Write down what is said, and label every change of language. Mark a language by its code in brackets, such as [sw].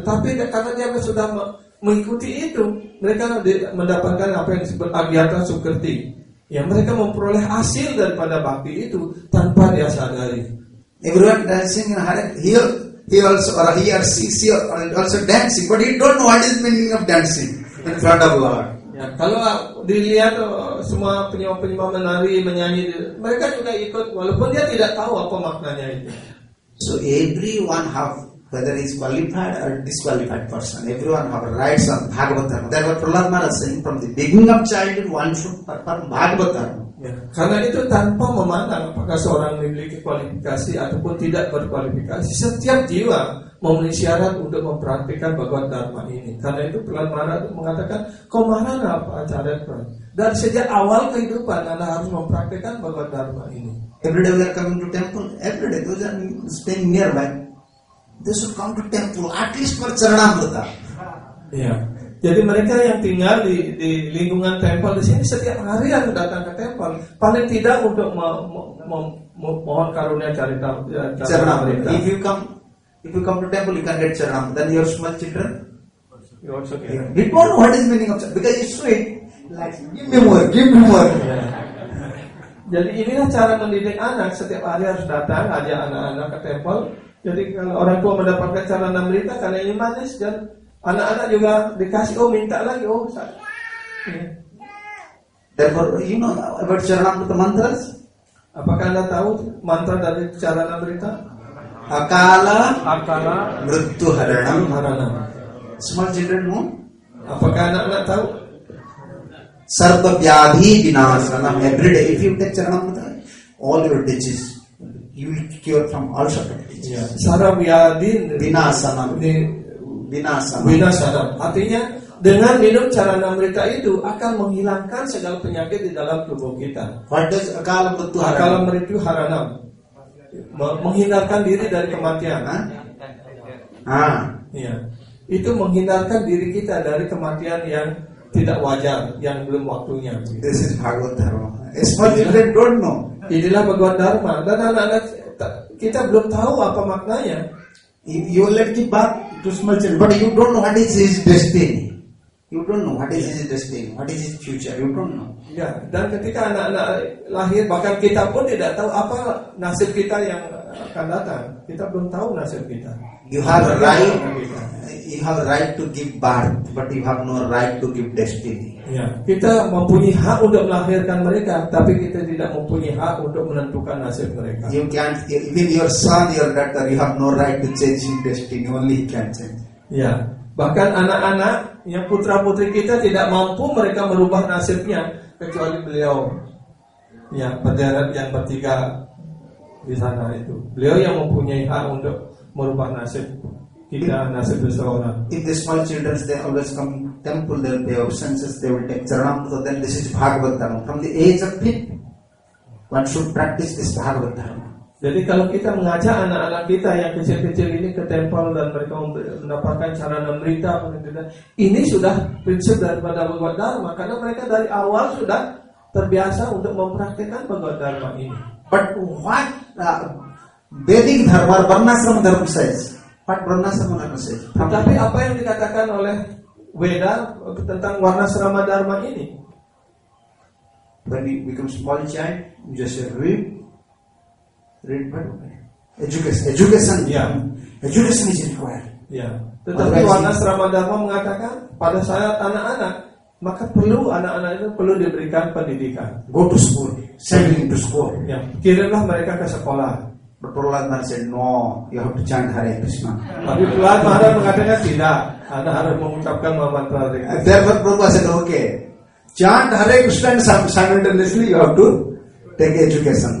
[id] Tapi karena dia sudah mengikuti itu, mereka mendapatkan apa yang disebut Agyata Sukerti. Ya, mereka memperoleh hasil daripada bhakti itu tanpa dia sadari. [en] Everyone dancing in Hare, he also dancing, but he don't know what is meaning of dancing in front of Lord. [id] Ya, kalau dilihat semua penyembah menari, menyanyi, mereka juga ikut walaupun dia tidak tahu apa maknanya itu. [en] So everyone have, whether he is qualified or disqualified person, everyone have rights on Bhagavad Dharma. That's what Prahlad Maharaj is saying, from the beginning of childhood, one should perform Bhagavad Dharma. [id] Karena itu tanpa memandang apakah seorang memiliki kualifikasi ataupun tidak berkualifikasi, setiap jiwa memenuhi syarat untuk mempraktikkan Bhagavad Dharma ini. Karena itu Prahlad Maharaj mengatakan, kemarin apa acara itu? Dan sejak awal kehidupan, anda harus mempraktikkan Bhagavad Dharma ini. [en] Every day we are coming to temple, every day those are staying nearby. They should come to temple at least for charanamrita. [id] Jadi mereka yang tinggal di lingkungan temple di sini setiap hari harus datang ke temple paling tidak untuk mohon karunia charanamrita. [en] If you come to temple, you can get charanam. Then your small children, you also get. We don't know what is meaning of charanam because it's sweet. Like give me more. [id] Jadi inilah cara mendidik anak, setiap hari harus datang ajak anak-anak ke temple. Jadi kalau orang tua mendapatkan carana merita karena ini manis, dan anak-anak juga dikasih, oh minta lagi, oh saya. [en] Therefore, you know about charanamrita mantras? [id] Apakah anda tahu mantra dari carana merita? [sa] Akala, akala, mrittu haranam, haranam. [id] Semua [en] children know? [id] Apakah anak-anak tahu? [sa] Sarva vyadhi vinashanam, [en] every day, if you take charanamrita, all your diseases, you will cure from all sorts of diseases. Yeah. [sa] Sarva vyadhi vinashanam. Vinashanam. [id] Artinya, dengan minum charanamrita itu akan menghilangkan segala penyakit di dalam tubuh kita. [en] What does [sa] akala mrittu haranam? Akala mrittu haranam. [id] Menghindarkan diri dari kematian. Ah, ya. Itu menghindarkan diri kita dari kematian yang tidak wajar, yang belum waktunya. [en] This is Bhagavad Dharma. As far as children don't know. [id] Inilah Bhagavad Dharma. Dan anak-anak kita belum tahu apa maknanya. [en] You let give birth to small children, but you don't know what is his destiny. You don't know what is his destiny, what is his future. You don't know. [id] Ya, dan ketika anak-anak lahir, bahkan kita pun tidak tahu apa nasib kita yang akan datang. Kita belum tahu nasib kita. [en] You have a right. You have a right to give birth, but you have no right to give destiny. [id] Ya, kita mempunyai hak untuk melahirkan mereka, tapi kita tidak mempunyai hak untuk menentukan nasib mereka. [en] You can't. Even your son, your daughter, you have no right to change his destiny. Only he can change. [id] Ya. Bahkan anak-anak yang putra-putri kita tidak mampu mereka merubah nasibnya kecuali beliau yang berderet yang bertiga di sana itu. Beliau yang mempunyai hak untuk merubah nasib kita, nasib seseorang. [en] If the small children they always come temple, their day of senses, they will take charanamrita, then this is Bhagavad Dharma. From the age of 5, one should practice this Bhagavad Dharma. [id] Jadi kalau kita mengajak anak-anak kita yang kecil-kecil ini ke temple dan mereka mendapatkan charanamrita, ini sudah prinsip daripada Bhagavad Dharma, karena mereka dari awal sudah terbiasa untuk mempraktikkan Bhagavad Dharma ini. [en] But what Vedic Dharma, Varnashrama Dharma says? What Varnashrama Dharma says? [id] Tapi apa yang dikatakan oleh Veda tentang Varnashrama Dharma ini? [en] When you become small child, you just read Bible. Education. Yeah. Education is required. Yeah. [id] Tetapi Varnashrama Dharma mengatakan pada saat anak-anak, maka perlu anak-anak itu perlu diberikan pendidikan. [en] Go to school. Send him to school. Yeah. [id] Kirimlah mereka ke sekolah. [en] But Prahlad Maharaj said, no, you have to chant Hare Krishna. [id] Tapi Prahlad Maharaj mengatakan tidak. Anda harus mengucapkan mantra. [en] Therefore Prabhupada said, okay, chant Hare Krishna simultaneously, you have to take education.